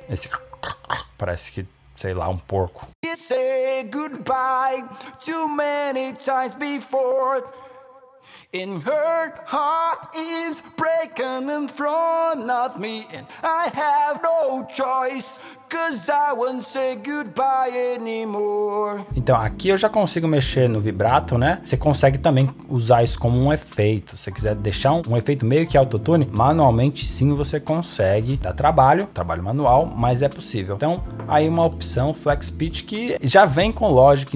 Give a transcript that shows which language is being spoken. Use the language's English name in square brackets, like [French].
[Portuguese] Esse parece que, sei lá, um porco. [English] She said goodbye too many times before. In her heart is breaking in front of me, and I have no choice, 'cause I won't say goodbye anymore. [Portuguese] Então aqui eu já consigo mexer no vibrato, né? Você consegue também usar isso como um efeito. Se você quiser deixar um efeito meio que autotune, manualmente sim você consegue. Dá trabalho manual, mas é possível. Então aí uma opção Flex Pitch que já vem com Logic.